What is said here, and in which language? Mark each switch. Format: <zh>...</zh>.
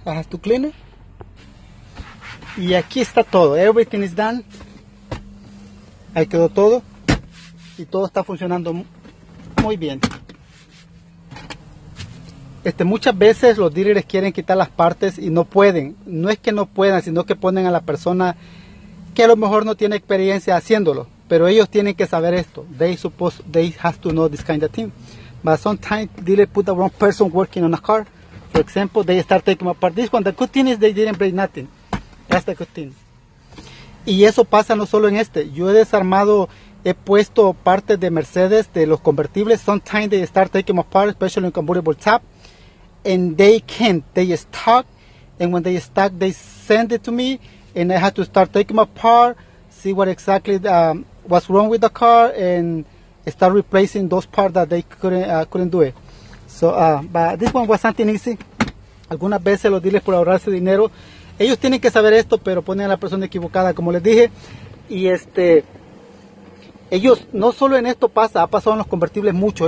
<es>Haz tu cleaner. Y aquí está todo.</es> <en>Everything is done.</en> <es>Ahí quedó todo. Y todo está funcionando muy bien. Muchas veces los dealers quieren quitar las partes y no pueden. No es que no puedan, sino que ponen a la persona que a lo mejor no tiene experiencia haciéndolo. Pero ellos tienen que saber esto.</es> <en>They have to know this kind of thing. But sometimes dealer put the wrong person working on a car. For example, they start taking apart this one. The good thing is they didn't break nothing. That's the good thing.</en> <es>Y eso pasa no solo en este. Yo he desarmado, he puesto partes de Mercedes, de los convertibles.</es> <en>Sometimes they start taking apart, especially in convertible top. And they can't. They stuck. And when they stuck, they send it to me. And I had to start taking apart, see what exactly was wrong with the car. And start replacing those parts that they couldn't do it. So, but this one was something easy.</en> <es>Algunas veces los dealers, por ahorrarse dinero, ellos tienen que saber esto, pero ponen a la persona equivocada, como les dije. Y ellos, no solo en esto pasa, ha pasado en los convertibles mucho.</es>